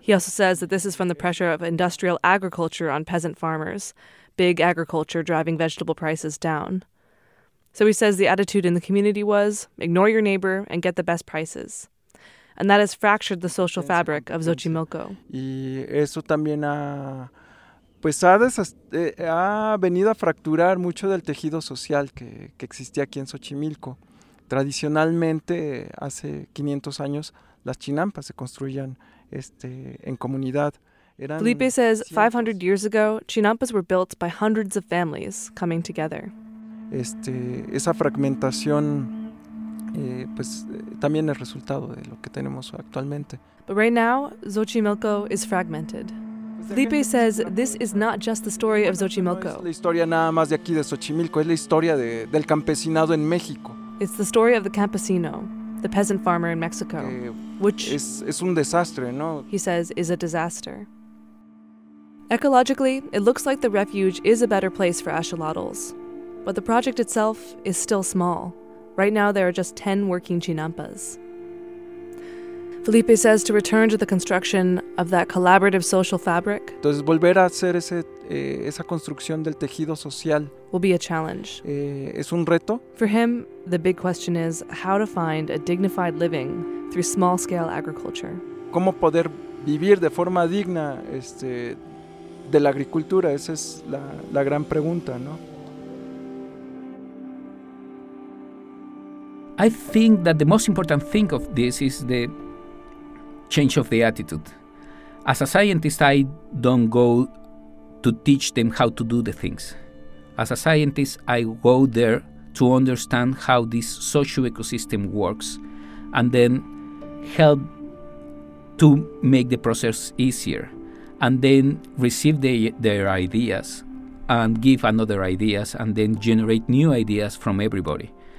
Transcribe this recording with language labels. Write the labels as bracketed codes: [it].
[en] He also says that this is from the pressure of industrial agriculture on peasant farmers, big agriculture driving vegetable prices down. So he says the attitude in the community was, ignore your neighbor and get the best prices. And that has fractured the social fabric of Xochimilco. [es] Y eso también ha, pues ha, ha venido a fracturar mucho del tejido social que existía aquí en Xochimilco. Tradicionalmente, hace 500 años, las chinampas se construían en comunidad. [en] Felipe says 500 years ago, chinampas were built by hundreds of families coming together. [es] Esa fragmentación pues también es resultado de lo que tenemos actualmente. [en] But right now, Xochimilco is fragmented. Felipe says this is not just the story of Xochimilco. [es] Es la historia nada más de aquí de Xochimilco, es la historia del campesinado en México. [en] It's the story of the campesino, the peasant farmer in Mexico, which [es] es un desastre, ¿no? [en] He says is a disaster. Ecologically, it looks like the refuge is a better place for axolotls. But the project itself is still small. Right now, there are just 10 working chinampas. Felipe says to return to the construction of that collaborative social fabric. [es] Entonces, volver a hacer ese, esa construcción del tejido social [en] will be a challenge. [es] Es un reto. [en] For him, the big question is how to find a dignified living through small-scale agriculture. [es] ¿Cómo poder vivir de forma digna de la agricultura? Esa es la gran pregunta, ¿no? [en] I think that the most important thing of this is the change of the attitude. As a scientist, I don't go to teach them how to do the things. As a scientist, I go there to understand how this social ecosystem works and then help to make the process easier and then receive their ideas and give another ideas and then generate new ideas from everybody.